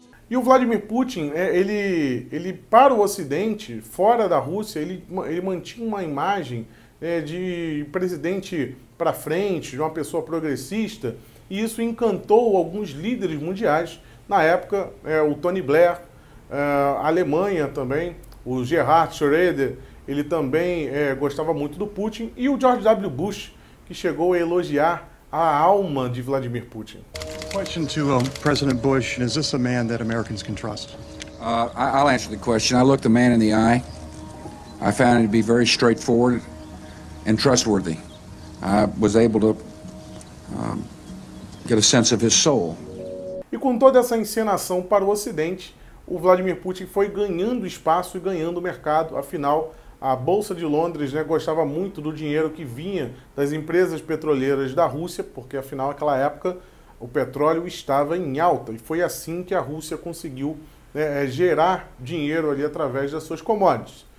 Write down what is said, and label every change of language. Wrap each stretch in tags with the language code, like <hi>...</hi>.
<pt>E o Vladimir Putin, ele para o Ocidente, fora da Rússia, ele mantinha uma imagem de presidente para frente, de uma pessoa progressista, e isso encantou alguns líderes mundiais. Na época, o Tony Blair, a Alemanha também, o Gerhard Schröder, ele também gostava muito do Putin, e o George W. Bush, que chegou a elogiar a alma de Vladimir Putin.</pt> <en>Question to President Bush: is this a man that Americans can trust? I'll answer the question. I looked the man in the eye. I found him to be very straightforward and trustworthy. I was able to get a sense of his soul.</en> <pt>E com toda essa encenação para o Ocidente, o Vladimir Putin foi ganhando espaço e ganhando mercado. Afinal, a Bolsa de Londres, né, gostava muito do dinheiro que vinha das empresas petroleiras da Rússia, porque afinal, naquela época, o petróleo estava em alta e foi assim que a Rússia conseguiu gerar dinheiro ali através das suas commodities.</pt>